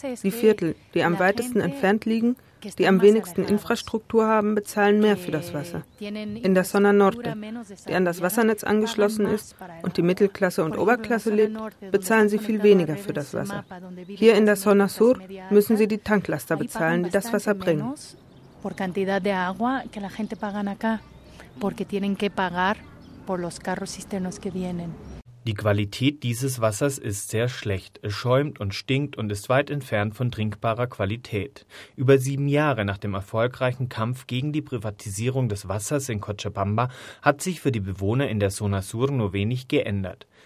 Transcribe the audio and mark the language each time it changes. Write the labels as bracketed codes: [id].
[de] Die Viertel, die am weitesten entfernt liegen, die am wenigsten Infrastruktur haben, bezahlen mehr für das Wasser. In der Zona Norte, die an das Wassernetz angeschlossen ist und die Mittelklasse und Oberklasse lebt, bezahlen sie viel weniger für das Wasser. Hier in der Zona Sur müssen sie die Tanklaster bezahlen, die das Wasser bringen. [es] Por cantidad de agua que la gente paga acá, porque tienen que pagar por los carros cisternos que vienen. [de] Die Qualität dieses Wassers ist sehr schlecht. Es schäumt und stinkt und ist weit entfernt von trinkbarer Qualität. Über 7 Jahre nach dem erfolgreichen Kampf gegen die Privatisierung des Wassers in Cochabamba hat sich für die Bewohner in der Zona Sur nur wenig geändert.